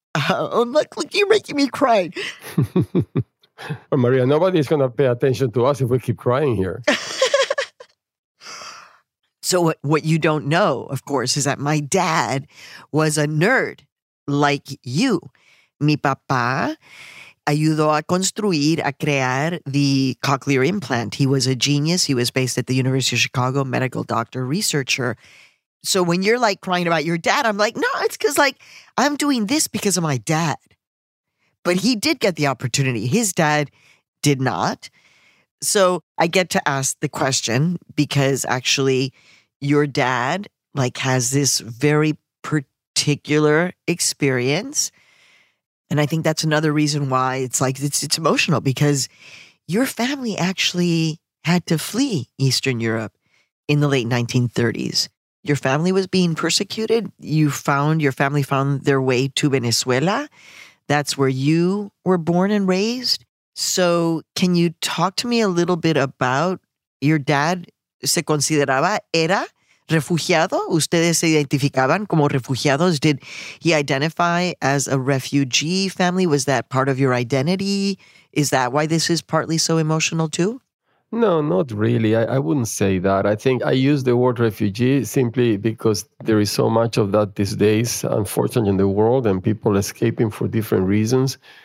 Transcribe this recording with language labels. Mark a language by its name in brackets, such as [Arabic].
[English] Look, you're making me cry. Well, Maria, nobody's going to pay attention to us if we keep crying here. So what you don't know, of course, is that my dad was a nerd like you. [Spanish] Mi papá ayudó a construir, a crear [English] the cochlear implant. He was a genius. He was based at the University of Chicago, medical doctor, researcher. So when you're like crying about your dad, I'm like, no, it's because like I'm doing this because of my dad. But he did get the opportunity. His dad did not. So I get to ask the question because actually your dad like has this very particular experience. And I think that's another reason why it's like it's emotional because your family actually had to flee Eastern Europe in the late 1930s. Your family was being persecuted. Your family found their way to Venezuela. That's where you were born and raised. So can you talk to me a little bit about your dad? [Spanish] ¿Se consideraba, era refugiado? ¿Ustedes se identificaban como refugiados? [English] Did he identify as a refugee family? Was that part of your identity? Is that why this is partly so emotional too? No, not really. I wouldn't say that. I think I use the word refugee simply because there is so much of that these days, unfortunately, in the world, and people escaping for different reasons.